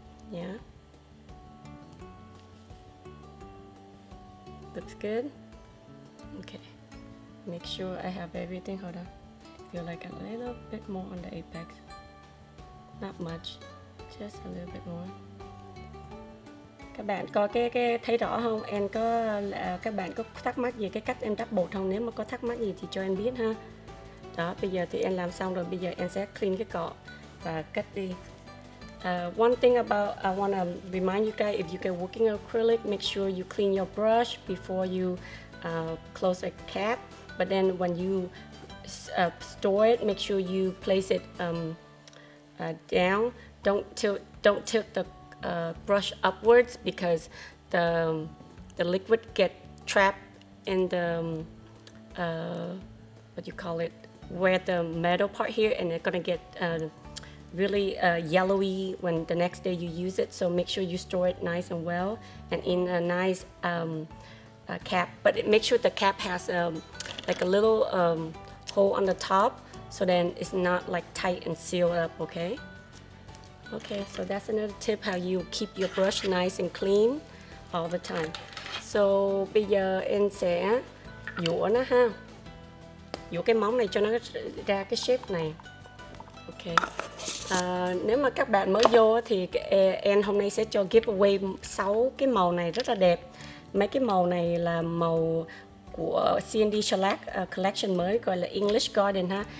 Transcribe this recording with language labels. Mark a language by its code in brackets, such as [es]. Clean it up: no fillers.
[en] Yeah. Looks good. Okay. Make sure I have everything. Hold on. Feel like a little bit more on the apex. Not much. Just a little bit more. [vi] Các bạn có cái thấy rõ không? Em có các bạn có thắc mắc gì cái cách em đắp bột không? Nếu mà có thắc mắc gì thì cho em biết ha. Đó, bây giờ thì em làm xong rồi, bây giờ em sẽ clean cái cọ và cắt đi. [en] One thing about, I want to remind you guys, if you get working acrylic, make sure you clean your brush before you close a cap. But then when you store it, make sure you place it down. Don't tilt the brush upwards because the liquid get trapped in the what you call it, where the metal part here, and it's gonna get really yellowy when the next day you use it. So make sure you store it nice and well and in a nice cap. But make sure the cap has like a little hole on the top, so then it's not like tight and sealed up. Okay. Okay, so that's another tip how you keep your brush nice and clean all the time. [vi] So bây giờ em sẽ nhổ nó ha. Nhổ cái móng này cho nó ra cái shape này. Okay. Nếu mà các bạn mới vô thì em hôm nay sẽ cho giveaway 6 cái màu này rất là đẹp. Mấy cái màu này là màu của CND Shellac collection mới gọi là English Garden ha.